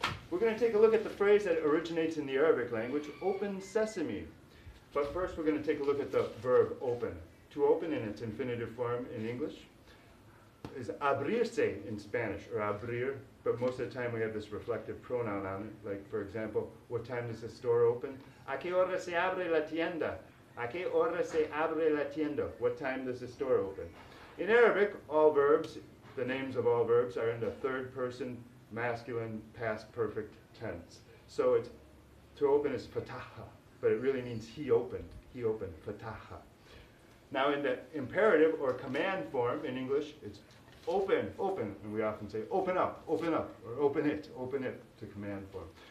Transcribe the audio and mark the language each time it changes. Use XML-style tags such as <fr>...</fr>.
<en>We're going to take a look at the phrase that originates in the Arabic language, open sesame. But first, we're going to take a look at the verb open. To open in its infinitive form in English is abrirse in Spanish, or abrir. But most of the time we have this reflective pronoun on it. Like, for example, what time does the store open?</en> <es>A qué hora se abre la tienda? A qué hora se abre la tienda?</es> <en>What time does the store open? In Arabic, all verbs, the names of all verbs, are in the third person masculine past perfect tense. So it's, to open is fataha, but it really means he opened, fataha. Now in the imperative or command form in English, it's open, open, and we often say open up, or open it, to command form.</en>